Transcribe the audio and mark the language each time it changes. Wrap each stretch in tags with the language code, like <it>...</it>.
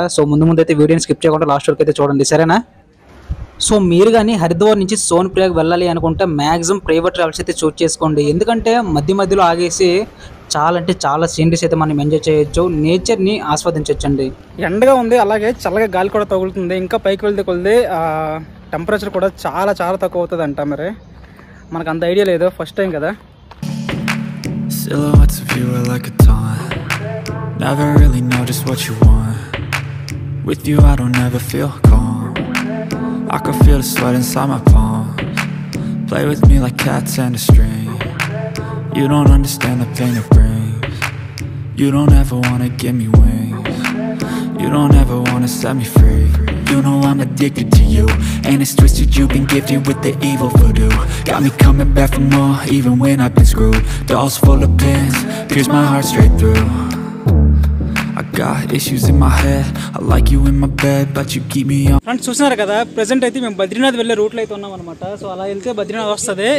<te>So ముందు ముందు అయితే వీడియోని స్కిప్ చేయకుండా లాస్ట్ వరకు అయితే చూడండి, సరేనా? సో మీరు కానీ హరిద్వార్ నుంచి సోన్ప్రయాగ్ వెళ్ళాలి అనుకుంటే మ్యాక్సిమం ప్రైవేట్ ట్రావెల్స్ అయితే చూస్ చేసుకోండి. ఎందుకంటే మధ్య మధ్యలో ఆగేసి చాలా అంటే చాలా సీనరీస్ అయితే మనం ఎంజాయ్ చేయొచ్చు, నేచర్ని ఆస్వాదించవచ్చండి. ఎండగా ఉంది, అలాగే చల్లగా గాలి కూడా తగులుతుంది. ఇంకా పైకి వెళ్తే కొద్ది టెంపరేచర్ కూడా చాలా చాలా తక్కువ అవుతుంది అంట. మరి మనకు అంత ఐడియా లేదు, ఫస్ట్ టైం కదా.</te> <en>Silhouettes of you are like a taunt. Never really know just what you want. With you I don't ever feel calm. I can feel the sweat inside my palms. Play with me like cats and a string. You don't understand the pain it brings. You don't ever wanna give me wings. You don't ever wanna set me free. You know I'm addicted to you. And it's twisted, you've been gifted with the evil voodoo. Got me coming back for more, even when I've been screwed. Dolls full of pins, pierce my heart straight through. I got issues in my head. I like you in my bed, but you keep me on.</en> <te>Friends, చూసారు కదా present అయితే మేము బద్రీనాథ్ వెళ్ళే route లో అయితే ఉన్నాం అన్నమాట. So అలా వెళ్తే బద్రీనాథ్ వస్తుంది.</te>